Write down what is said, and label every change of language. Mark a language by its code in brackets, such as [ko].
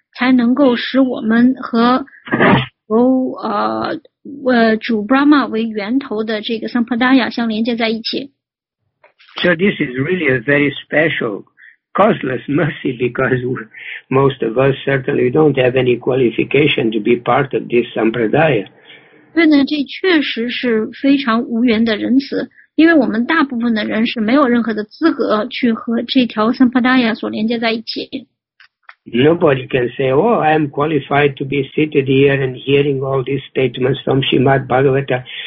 [zh] 才能够使我们和由主 Brahma 为源头的这个 Sampradaya 相连接在一起。 [en] So this is really a very special causeless mercy because most of us certainly don't have any qualification to be part of this Sampradaya. [zh] 对呢，这确实是非常无缘的仁慈，因为我们大部分的人是没有任何的资格去和这条 Sampradaya 所连接在一起。 [en] Nobody can say, oh, I am qualified to be seated here and hearing all these statements from Srimad Bhagavata.